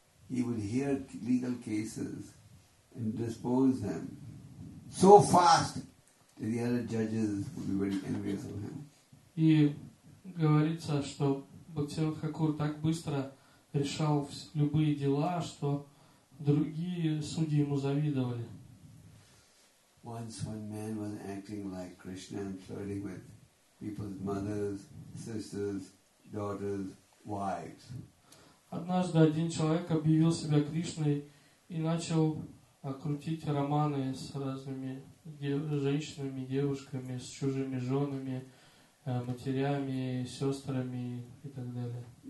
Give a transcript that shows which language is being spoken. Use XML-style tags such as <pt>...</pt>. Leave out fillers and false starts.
<en>He would hear legal cases and dispose them so fast that the other judges would be very envious of him.</en> <ru>И говорится, что Бхактивинода Тхакур так быстро решал любые дела, что другие судьи ему завидовали.</ru> <en>Once one man was acting like Krishna and flirting with people's mothers, sisters, daughters, wives.</en> <ru>Однажды один человек объявил себя Кришной и начал крутить романы с разными женщинами, девушками, с чужими женами, матерями, сестрами и так далее,</ru>